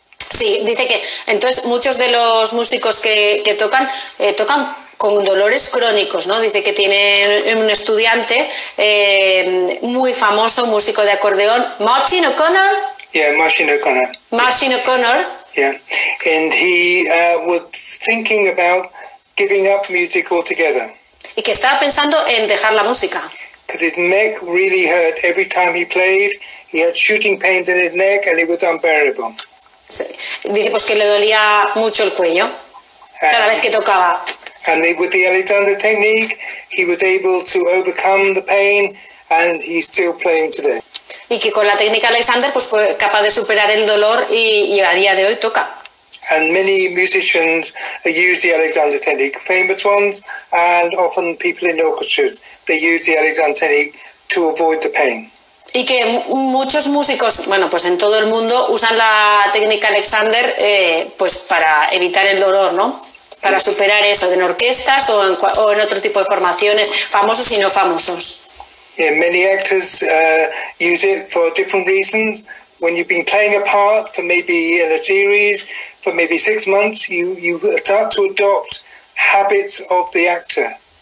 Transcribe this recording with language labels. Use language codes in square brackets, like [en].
[es] Sí, dice que entonces muchos de los músicos que tocan, tocan con dolores crónicos, ¿no? Dice que tiene un estudiante muy famoso, músico de acordeón, Máisín O'Connor. [en] Yeah, Máisín O'Connor. Máisín O'Connor. Yeah, and he was thinking about giving up music altogether. [es] Y que estaba pensando en dejar la música. [en] Because his neck really hurt every time he played. He had shooting pains in his neck and it was unbearable. [es] Sí. Dice pues que le dolía mucho el cuello cada vez que tocaba. [en] And with the Alexander technique, he was able to overcome the pain, and he's still playing today. [es] Y que con la técnica Alexander pues fue capaz de superar el dolor y a día de hoy toca. [en] And many musicians use the Alexander technique, famous ones, and often people in orchestras, they use the Alexander technique to avoid the pain. [es] Y que muchos músicos, bueno, pues en todo el mundo usan la técnica Alexander pues para evitar el dolor, ¿no? Para superar eso, en orquestas o en otro tipo de formaciones, famosos y no famosos. [en] Yeah, many actors use it for different reasons. When you've been playing a part for maybe in a series, for maybe 6 months, you start to adopt habits of the actor.